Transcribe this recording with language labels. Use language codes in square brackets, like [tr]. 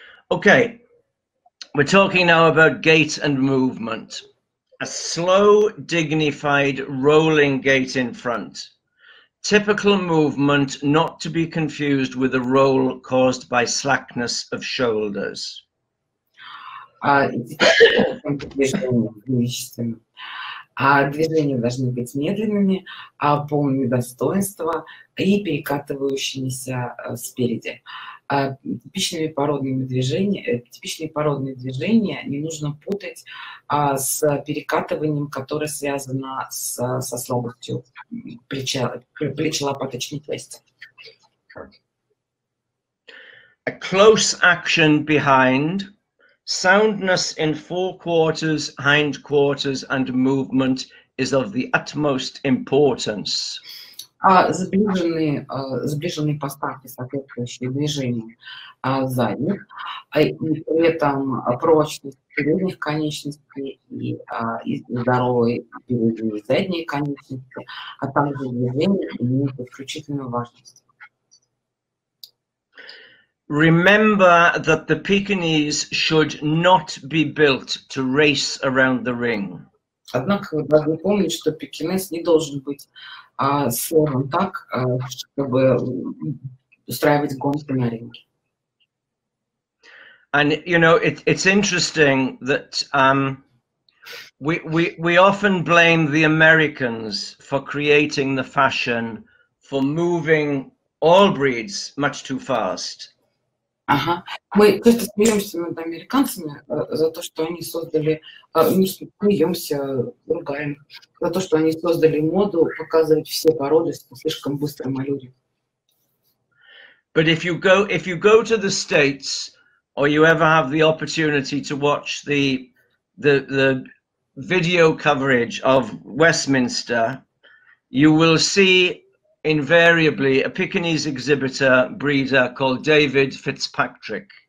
[en] Okay, we're talking now about gait and movement. A slow, dignified, rolling gait in front. Typical movement not to be confused with a roll caused by slackness of shoulders. [ru] Движения должны быть медленными, полными достоинства и перекатывающимися спереди. Типичные породные движения не нужно путать с перекатыванием, которое связано со слабостью плеча лопаточной кости. [en] A close action behind. Soundness in forequarters, hindquarters, and movement is of the utmost importance. [ru] Сближенные поставки соответствующие движения задних, и при этом прочность передних конечностей и здоровые передние и задние конечности, а также движения имеют исключительную важность. [en] Remember that the Pekinese should not be built to race around the ring. [ru] Однако вы должны помнить, что пекинес не должен быть сложен так, чтобы устраивать гонки на ринге. [en] And you know, it's interesting that We often blame the Americans for creating the fashion for moving all breeds much too fast. Ага. [ru] Мы просто смеемся над американцами за то, что они создали, не смеемся, ругаем, за то, что они создали моду показывать все породы с слишком быстрым аллюре. [en] But if you go to the States, or you ever have the opportunity to watch the video coverage of Westminster, you will see invariably a Pekinese exhibitor breeder called David Fitzpatrick.